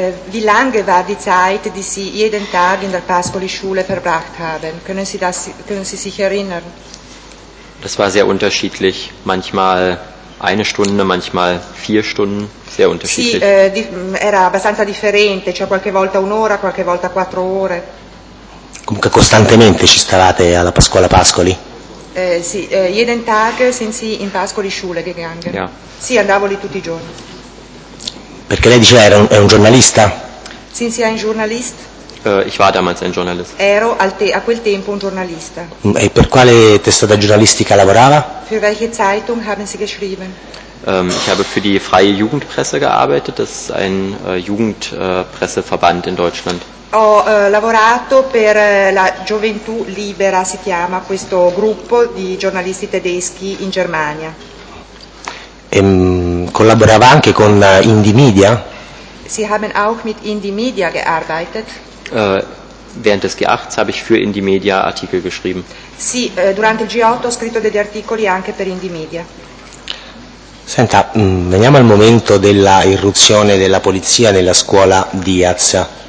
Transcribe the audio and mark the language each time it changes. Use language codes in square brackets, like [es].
[de] Wie lange war die Zeit, die Sie jeden Tag in der Pascoli-Schule verbracht haben? Können Sie sich erinnern? Das war sehr unterschiedlich. Manchmal eine Stunde, manchmal vier Stunden, sehr unterschiedlich. [it] Sì, era abbastanza differente, cioè qualche volta un'ora, qualche volta quattro ore. Comunque costantemente ci stavate alla scuola Pascoli? [de] Sì, jeden Tag sind Sie in Pascoli-Schule gegangen. Ja. [it] Sì, andavo lì tutti i giorni. Perché lei diceva era un giornalista? [de] Sind Sie ein Journalist? Ich war damals ein Journalist. [it] Ero a quel tempo un giornalista. E per quale testata giornalistica lavorava? [de] Für welche Zeitung haben Sie geschrieben? Ich habe für die Freie Jugendpresse gearbeitet, das ist ein Jugendpresseverband in Deutschland. [it] Ho lavorato per la Gioventù Libera, si chiama questo gruppo di giornalisti tedeschi in Germania. Collaborava anche con Indie Media? [de] Sie haben auch mit Indie Media gearbeitet. Während des G8 habe ich für Indie Media Artikel geschrieben. [it] Sì, durante il G8 ho scritto degli articoli anche per Indie Media. Senta, veniamo al momento della irruzione della polizia nella scuola Diaz.